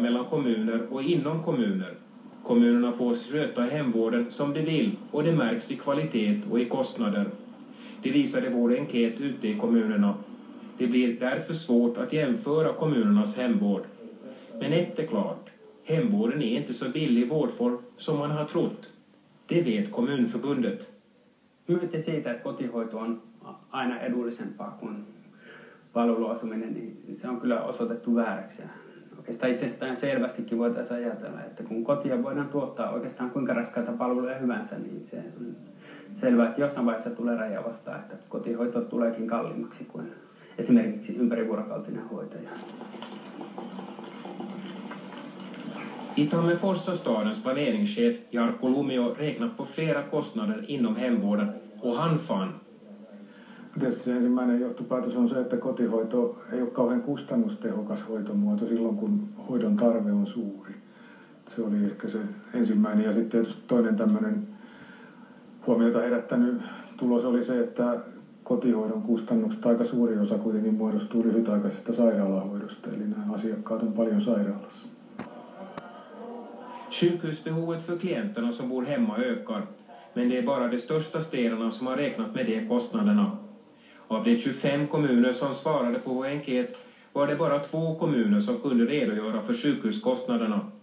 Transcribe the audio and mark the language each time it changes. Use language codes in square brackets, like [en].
[sv] Kommuner och inom kommuner. Kommunerna får sköta hemvården som de vill och det märks i kvalitet och i kostnader. Det visade vår enkät ute i kommunerna. Det blir därför svårt att jämföra kommunernas hemvård. Men ett är klart, hemvården är inte så billig vårdform som man har trott. Det vet kommunförbundet. [fi] Nu är det sett att kotihoitoon aina edullisempaa kuin palveluasuminen, niin se on kyllä osoitettu vääräksi. Oikeastaan itsestään selvästikin voitaisiin ajatella, että kun kotia voidaan tuottaa oikeastaan kuinka raskaita palveluja hyvänsä, niin se on selvää, että jossain vaiheessa tulee raja vastaan, että kotihoito tuleekin kalliimmaksi kuin esimerkiksi ympärivuorokautinen hoitaja. [sv] Itämefors stadens planeringschef Jarkko Lumio räknat på flera kostnader inom hemvården och hanfan. [fi] Tietysti ensimmäinen johtopäätös on se, että kotihoito ei ole kauhean kustannustehokas hoitomuoto silloin, kun hoidon tarve on suuri. Se oli ehkä se ensimmäinen. Ja sitten tietysti toinen tämmöinen huomiota herättänyt tulos oli se, että kotihoidon kustannukset aika suuri osa kuitenkin muodostuu lyhytaikaisesta sairaalahoidosta. Eli nämä asiakkaat on paljon sairaalassa. [sv] Sjukhusbehovet för klienterna som bor hemma ökar. Men det är bara de största städerna som har räknat med de kostnaderna. Av de 25 kommuner som svarade på vår enkät var det bara 2 kommuner som kunde redogöra för sjukhuskostnaderna.